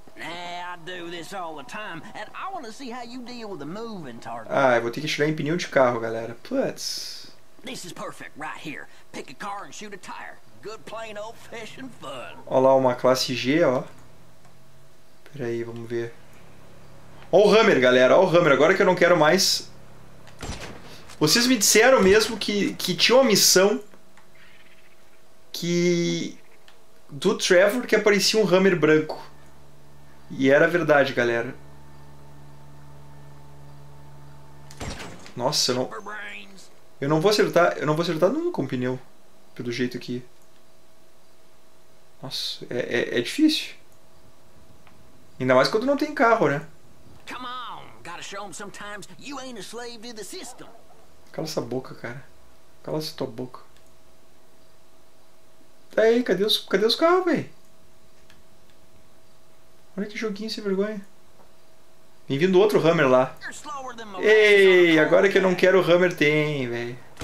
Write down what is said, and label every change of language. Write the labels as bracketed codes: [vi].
[en] Nah, I do this all the time, and I want to see how you deal with a moving target. [pt] Ah, eu vou ter que atirar em pneu de carro, galera. [en] Putz. This is perfect right here. Pick a car and shoot a tire. Good plain old fashioned fun. [pt] Olha lá, uma classe G, ó. Pera aí, vamos ver. Ó o Hammer, galera. Ó o Hammer. Agora que eu não quero mais. Vocês me disseram mesmo que tinha uma missão. Que do Trevor que aparecia um Hammer branco. E era verdade, galera. Nossa, eu não vou acertar nunca um pneu pelo jeito aqui. Nossa, é difícil. Ainda mais quando não tem carro, né? [en] Come on, gotta show them sometimes you ain't a slave to the system. [pt] Cala essa boca, cara. Cala essa tua boca. Tá aí, cadê os carros, velho? Olha que joguinho sem vergonha. Bem-vindo outro Hammer lá. Ei, agora que eu não quero o Hammer tem, velho.